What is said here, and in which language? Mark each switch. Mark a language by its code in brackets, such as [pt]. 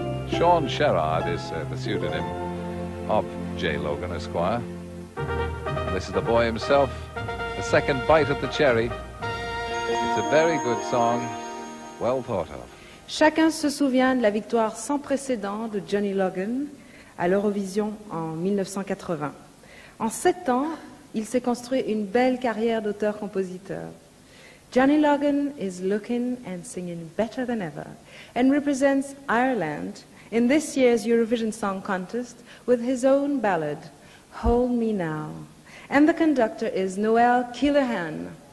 [en] Sean Sherrard is the pseudonym of J. Logan Esquire. And this is the boy himself, The Second Bite of the Cherry. It's a very good song, well thought of. [fr] Chacun se souvient de la victoire sans précédent de Johnny Logan à l'Eurovision en 1980. En 7 ans, il s'est construit une belle carrière d'auteur-compositeur. [en] Johnny Logan is looking and singing better than ever and represents Ireland in this year's Eurovision Song Contest with his own ballad, Hold Me Now. And the conductor is Noel Keelehan.